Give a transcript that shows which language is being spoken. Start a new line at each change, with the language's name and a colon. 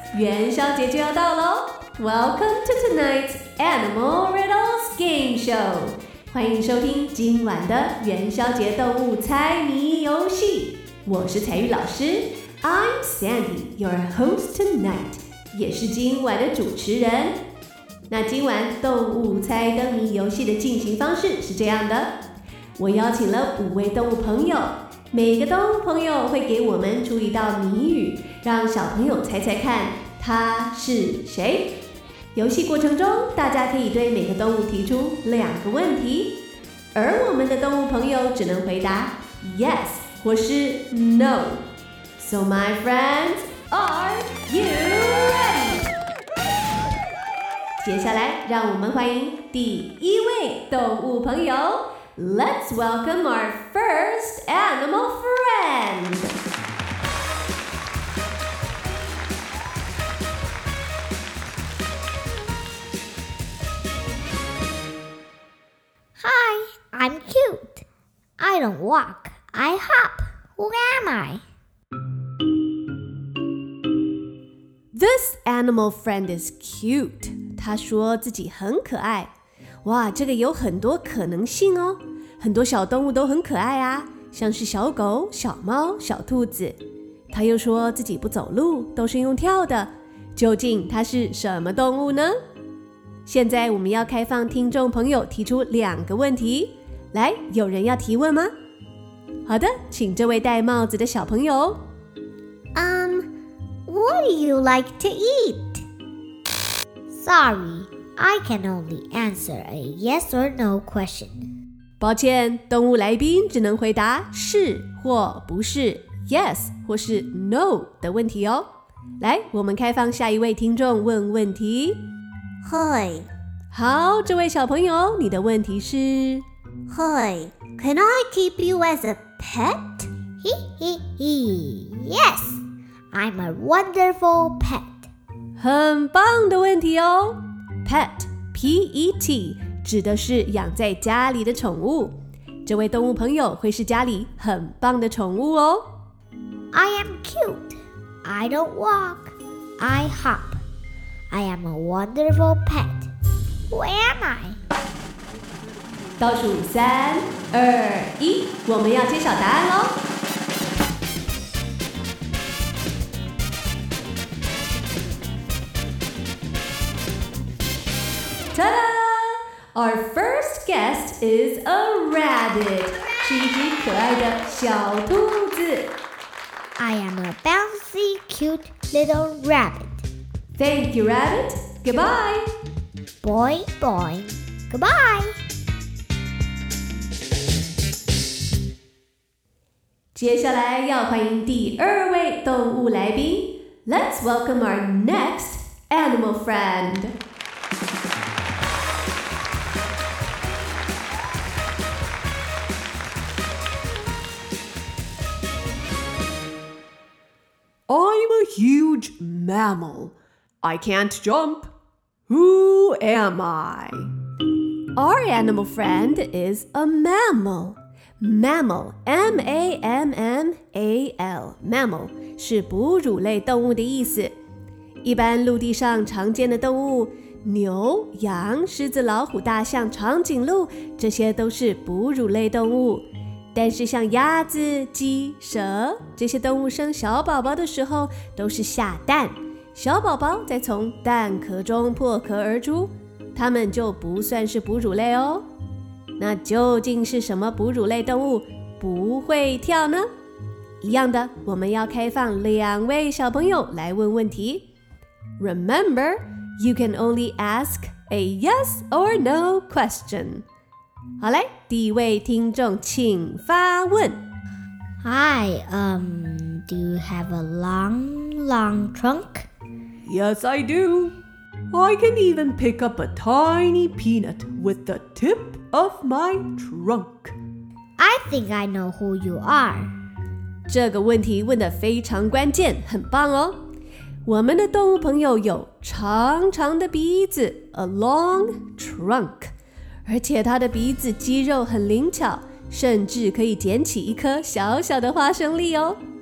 Chinese: 元宵节就要到咯
English: Welcome to tonight's Animal Riddles Game Show!
Chinese: 欢迎收听今晚的元宵节动物猜谜游戏。我是彩玉老师 ,
English: I'm Sandy, your host tonight,
Chinese: 也是今晚的主持人。那今晚动物猜灯谜游戏的进行方式是这样的。我邀请了五位动物朋友。每个动物朋友会给我们出一道谜语，让小朋友猜猜看他是谁。游戏过程中，大家可以对每个动物提出两个问题，而我们的动物朋友只能回答 yes 或是 no。
English: So my friends, are you ready?
Chinese: 接下来，让我们欢迎第一位动物朋友。
English: Let's welcome our first animal friend! Hi, I'm cute. I don't walk, I hop. Who am I? This animal friend is cute.
Chinese: 他说自己很可爱。哇，这个有很多可能性哦。很多小动物都很可爱啊，像是小狗、小猫、小兔子。他又说自己不走路，都是用跳的。究竟他是什么动物呢？现在我们要开放听众朋友提出两个问题。来，有人要提问吗？好的，请这位戴帽子的小朋友。
English: What do you like to eat? Sorry, I can only answer a yes or no question.
Chinese: 抱歉，动物来宾只能回答是或不是 ，yes 或是 no 的问题哦。来，我们开放下一位听众问问题。
English: Hi，
Chinese: 好，这位小朋友，你的问题是
English: ？Hi，Can I keep you as a pet？嘿嘿嘿 ，Yes，I'm a wonderful pet。
Chinese: 很棒的问题哦 ，pet，P-E-T。指的是养在家里的宠物，这位动物朋友会是家里很棒的宠物哦。
English: I am cute. I don't walk. I hop. I am a wonderful pet. Who am I?
Chinese: 倒数三、二、一，我们要揭晓答案喽。哒哒。
English: Our first guest is a rabbit,
Chinese: 是一只可爱的小兔子。
English: I am a bouncy, cute little rabbit. Thank you, rabbit. Goodbye. Boy, boy, goodbye.
Chinese: 接下来要欢迎第二位动物来宾。
English: Let's welcome our next animal friend. I'm a huge mammal. I can't jump. Who am I? Our animal friend is a mammal. Mammal, M-A-M-M-A-L.
Chinese: Mammal 是哺乳类动物的意思。一般陆地上常见的动物，牛、羊、狮子、老虎、大象、长颈鹿，这些都是哺乳类动物。但是像鸭子、鸡、蛇这些动物生小宝宝的时候都是下蛋，小宝宝再从蛋壳中破壳而出，它们就不算是哺乳类哦。那究竟是什么哺乳类动物不会跳呢？一样的，我们要开放两位小朋友来问问题。
English: Remember, you can only ask a yes or no question.
Chinese: 好嘞，第一位听众请发问。
English: Hi, do you have a long, long trunk? Yes, I do. I can even pick up a tiny peanut with the tip of my trunk. I think I know who you are.
Chinese: 这个问题问得非常关键，很棒哦。我们的动物朋友有长长的鼻子 ,
English: a long trunk,
Chinese: 而且它的鼻子肌肉很灵巧，甚至可以捡起一颗小小的花生粒哦。